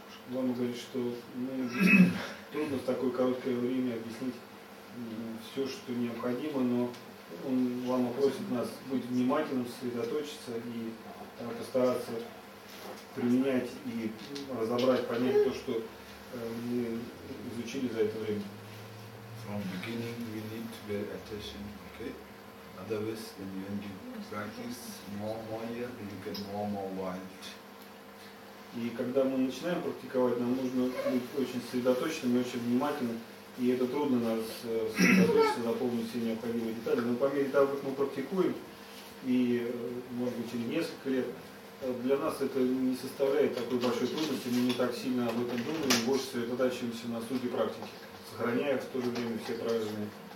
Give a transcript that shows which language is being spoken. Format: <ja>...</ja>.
<ru>Лама говорит, что ну, трудно в такое короткое время объяснить все, что необходимо, но он, Лама просит нас быть внимательным, сосредоточиться и постараться применять и разобрать, понять то, что мы изучили за это время.</ru> <en>from beginning we need to pay attention, okay? Otherwise, when you end your practice more year, you get more wild.</en> <ru>И когда мы начинаем практиковать, нам нужно быть очень сосредоточенными, очень внимательными. И это трудно нас сосредоточиться, запомнить все необходимые детали. Но по мере того, как мы практикуем, и, может быть, через несколько лет, для нас это не составляет такой большой трудности, мы не так сильно об этом думаем, мы больше сосредотачиваемся на сути практики, сохраняя в то же время все правильные</ru>